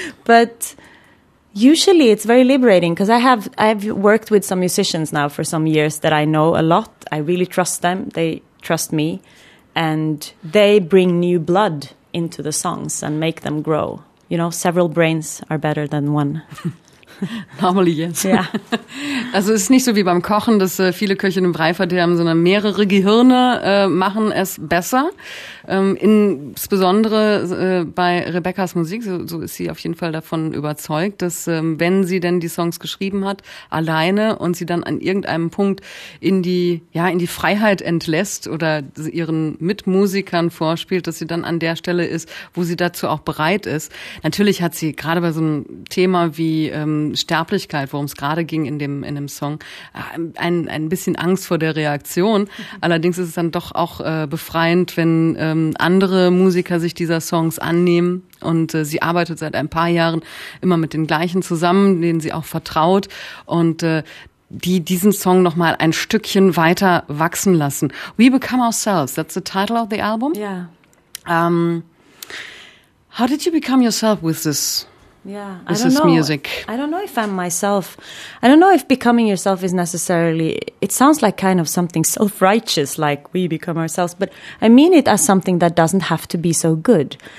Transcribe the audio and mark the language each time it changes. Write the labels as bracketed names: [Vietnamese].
[English] But usually it's very liberating because I've worked with some musicians now for some years that I know a lot. I really trust them. They trust me. And they bring new blood into the songs and make them grow. You know, several brains are better than one. Normally, yes. Yeah. [German] Also es ist nicht so wie beim Kochen, dass viele Köche einen Brei verderben, sondern mehrere Gehirne machen es besser. Insbesondere bei Rebeccas Musik, so ist sie auf jeden Fall davon überzeugt, dass wenn sie denn die Songs geschrieben hat, alleine, und sie dann an irgendeinem Punkt in die Freiheit entlässt oder ihren Mitmusikern vorspielt, dass sie dann an der Stelle ist, wo sie dazu auch bereit ist. Natürlich hat sie gerade bei so einem Thema wie Sterblichkeit, worum es gerade ging in dem Song, ein bisschen Angst vor der Reaktion. Allerdings ist es dann doch auch befreiend, wenn andere Musiker sich dieser Songs annehmen, und sie arbeitet seit ein paar Jahren immer mit den gleichen zusammen, denen sie auch vertraut, und die diesen Song noch mal ein Stückchen weiter wachsen lassen. [English] We Become Ourselves, that's the title of the album. Yeah. How did you become yourself with this? Yeah, this is music. I don't know if I'm myself. I don't know if becoming yourself is necessarily, it sounds like kind of something self-righteous, like we become ourselves, but I mean it as something that doesn't have to be so good.